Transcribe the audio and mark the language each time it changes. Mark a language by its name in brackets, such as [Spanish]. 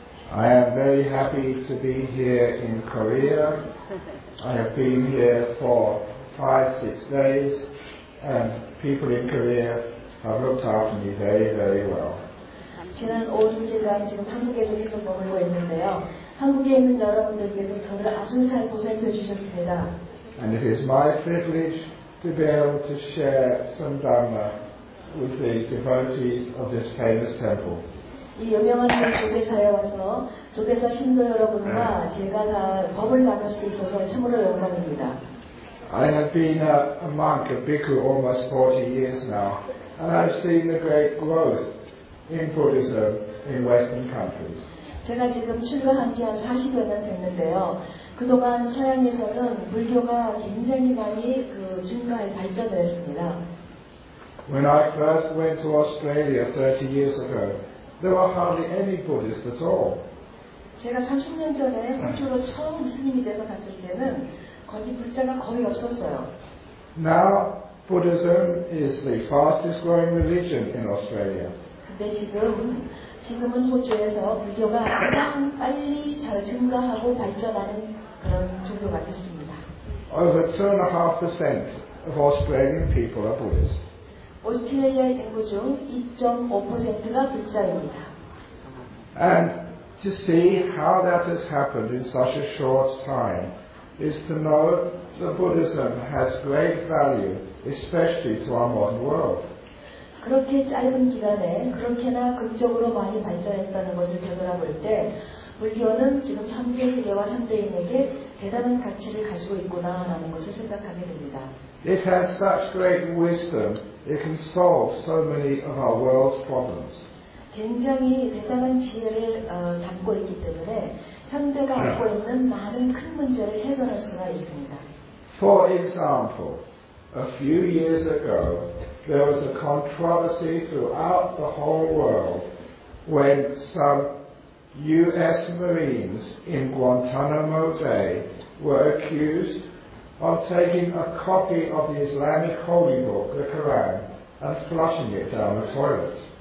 [English] I am very happy to be here in Korea. I have been here for 5-6 days, and people in Korea have looked after me very, very well. [Korean] 지난 5-6일간 지금 한국에서 계속 머물고 있는데요. 한국에 있는 여러분들께서 저를 아주 잘 보살펴 주셨습니다. [English] And it is my privilege to be able to share some Dharma with the devotees of this famous temple. [Korean] 이 유명한 조계사에 와서 조계사 신도 여러분과 제가 다 법을 나눌 수 있어서 참으로 영광입니다. [English] I have been a monk, a bhikkhu, almost 40 years now, and I've seen the great growth in Buddhism in Western countries. [Korean] 제가 지금 출가한 지 한 40여 년 됐는데요. 그동안 서양에서는 불교가 굉장히 많이 그 증가에 발전을 했습니다. [English] When I first went to Australia 30 years ago, there were hardly any Buddhists at all. [Korean] 제가 30년 전에 호주로 처음 스님이 돼서 갔을 때는 거기 불자가 거의 없었어요. [English] Now Buddhism is the fastest growing religion in Australia. [Korean] 근데 지금은 호주에서 불교가 가장 빨리 잘 증가하고 발전하는 그런 종교 같습니다. [English] Over 2.5% of Australian people are Buddhists. [Korean] 오스트레일리아 인구 중 2.5%가 불자입니다. [English] And to see how that has happened in such a short time is to know that Buddhism has great value, especially to our modern world. [Korean] 그렇게 짧은 기간에 그렇게나 극적으로 많이 발전했다는 것을 되돌아볼 때 불교는 지금 현대 세계와 현대인에게 대단한 가치를 가지고 있구나라는 것을 생각하게 됩니다. [English] It has such great wisdom. It can solve so many of our world's problems. [Korean] 굉장히 대단한 지혜를 담고 있기 때문에 현대가 갖고 있는 많은 큰 문제를 해결할 수가 있습니다. [English] For example, a few years ago, there was a controversy throughout the whole world when some U.S. Marines in Guantanamo Bay were accused of taking a copy of the Islamic holy book, the Quran, and flushing it down the toilet.